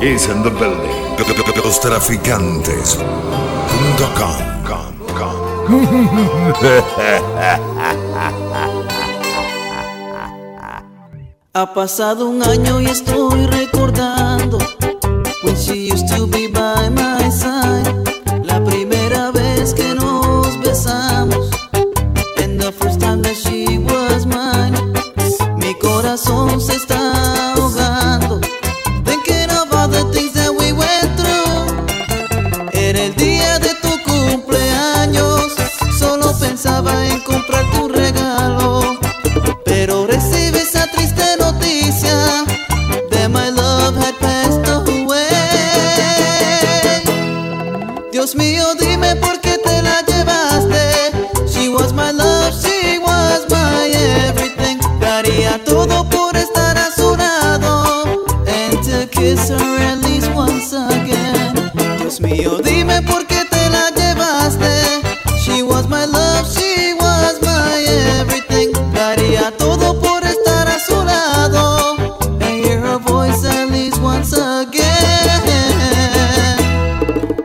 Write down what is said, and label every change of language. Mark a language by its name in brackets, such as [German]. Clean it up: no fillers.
[English] Is in the building. [Spanish] Los traficantes.com. Ha pasado un año y estoy recordando. [English] When she used to be by my side. [Spanish] La primera vez que nos besamos. [English] And the first time that she was mine. [Spanish] Mi corazón se está ahogando. [English] Thinking of all the things that we went through. [Spanish] Era el día de tu cumpleaños. Solo pensaba en comprar tu regalo. Pero recibí esa triste noticia. [English] That my love had passed away. [Spanish] Dios mío, dime por qué te la llevaste. [English] She was my love, she was my everything. [Spanish] Daría todo por estar a su lado. [English] And to kiss her at least once again. [Spanish] Dios mío, dime por qué te la llevaste. [English] She was my love, she was my everything. [Spanish] Daría todo por estar a su lado. [English] And hear her voice at least once again.